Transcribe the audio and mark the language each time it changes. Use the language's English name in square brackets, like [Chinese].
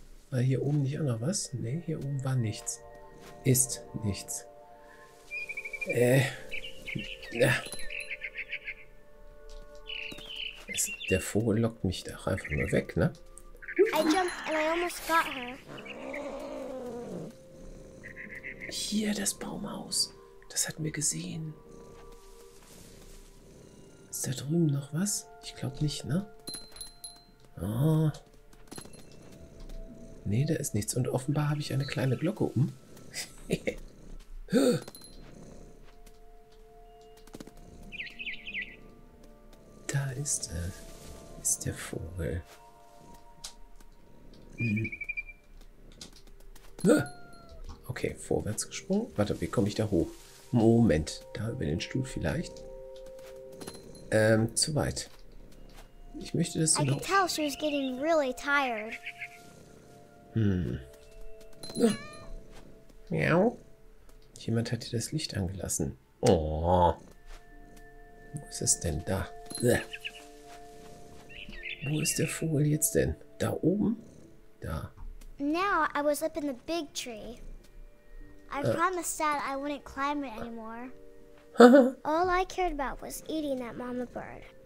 [German] War hier oben nicht auch noch was? Nee, hier oben war nichts. Ist nichts. Der Vogel lockt mich doch einfach nur weg, ne? [English] I jumped and I almost got her. [German] Hier, das Baumhaus. Das hat mir gesehen. Ist da drüben noch was? Ich glaube nicht, ne? Oh. Nee, da ist nichts. Und offenbar habe ich eine kleine Glocke um. Da ist er. Ist der Vogel. Okay, vorwärts gesprungen. Warte, wie komme ich da hoch? Moment, da über den Stuhl vielleicht. Zu weit. Ich möchte das so. [English] I could tell she was getting really tired. Miau. [German] Jemand hat hier das Licht angelassen. Oh. Wo ist es denn da? Wo ist der Vogel jetzt denn? Da oben? Da. [English] Now I was up in the big tree. I promised Dad I wouldn't climb it anymore. All I cared about was eating that mama bird.